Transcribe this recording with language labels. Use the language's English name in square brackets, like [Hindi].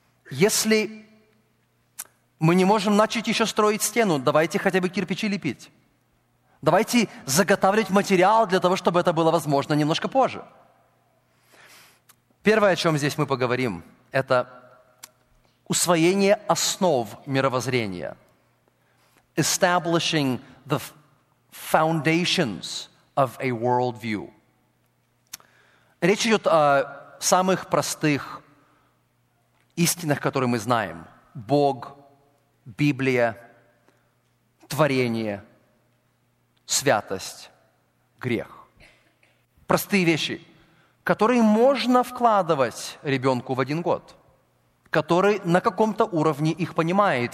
[Russian] Если мы не можем начать еще строить стену, давайте хотя бы кирпичи лепить. Давайте заготавливать материал для того, чтобы это было возможно немножко позже. Первое, о чем здесь мы поговорим, это усвоение основ мировоззрения. [English] Establishing the foundations of a worldview. [Russian] Речь идет о самых простых истинах, которые мы знаем. Бог, Библия, творение, святость, грех. Простые вещи, которые можно вкладывать ребенку в один год, который на каком-то уровне их понимает.